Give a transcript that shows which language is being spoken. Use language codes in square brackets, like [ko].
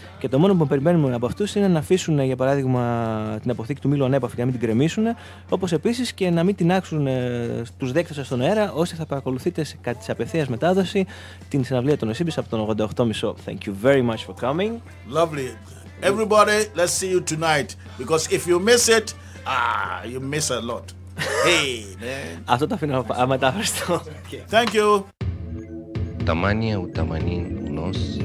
[el] Και το μόνο που περιμένουμε από αυτούς είναι να αφήσουν, για παράδειγμα, την αποθήκη του μήλου ανέπαφη και να μην την κρεμίσουν. Όπως επίσης και να μην τεινάξουν τους δέκτες σας στον αέρα, όσοι θα παρακολουθείτε κατά της απευθείας μετάδοση την συναυλία των Osibisa από τον 88.30. [en] Thank you very much for coming. Lovely. Everybody, let's see you tonight. Because if you miss it, you miss a lot. Hey, man. [el] Αυτό το αφήνω αμετάφραστο. [en] Thank you. Ταμάνια ουταμανίν γνώσ,